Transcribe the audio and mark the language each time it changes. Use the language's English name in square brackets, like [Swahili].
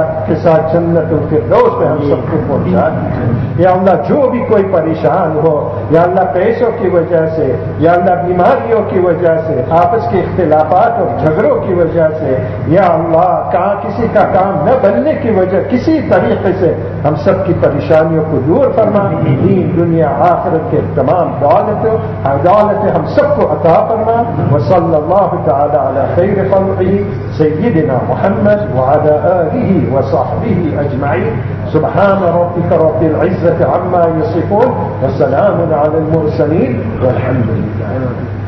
[Urdu] کے ساتھ جنت ان کے دوست میں ہم سب کو پہنچا دیں. یا اللہ, جو بھی کوئی پریشان ہو, یا اللہ پیسوں کی وجہ سے, یا اللہ بیماریوں کی وجہ سے, آپس کے اختلافات اور جھگڑوں کی وجہ سے, یا اللہ کہاں کسی کا کام نہ بننے کی وجہ, کسی طریقے سے ہم سب کی پریشانیوں کو دور فرما دیں. دنیا آخرت کے تمام دولتیں ہم سب کو عطا فرما. [Arabic] وصلی اللہ تعالیٰ على خير خلقه سيدنا محمد وعلى آله وصحبه أجمعين. سبحان ربك رب العزة عما يصفون, وسلام على المرسلين, والحمد لله.